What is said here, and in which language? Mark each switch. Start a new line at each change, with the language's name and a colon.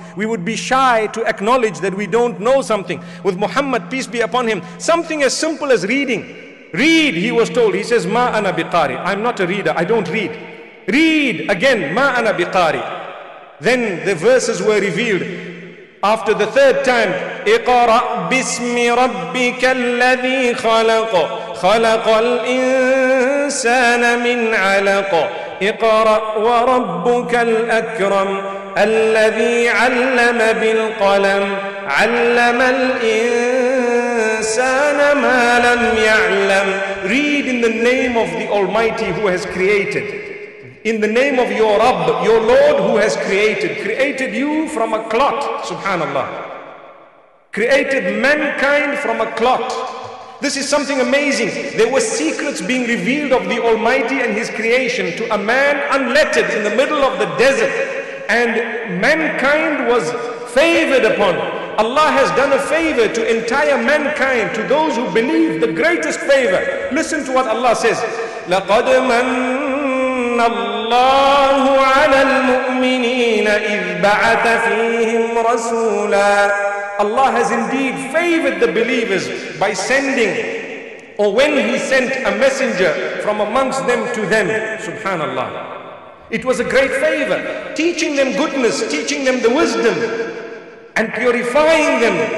English: We would be shy to acknowledge that we don't know something. With Muhammad, peace be upon him, something as simple as reading. Read, he was told. He says,
Arabic: Ma ana biqari.
English: I'm not a reader. I don't read. Read again.
Arabic: Ma ana biqari.
English: Then the verses were revealed. After the third time,
Arabic: اقرأ باسم ربك الذي خلق خلق الإنسان من علق اقرأ وربك الأكرم الذي علم بالقلم علم الإنسان ما لم يعلم.
English: Read in the name of the Almighty who has created. In the name of your Rabb, your Lord, who has created you from a clot, subhanallah. Created mankind from a clot. This is something amazing. There were secrets being revealed of the Almighty and his creation to a man unlettered in the middle of the desert. And mankind was favored upon. Allah has done a favor to entire mankind, to those who believe, the greatest favor. Listen to what Allah says.
Arabic: لقد من الله على المؤمنين إذ بعث فيهم رسولا.
English: Allah has indeed favored the believers by sending, or when he sent a messenger from amongst them to them, subhanallah. It was a great favor, teaching them goodness, teaching them the wisdom, and purifying them.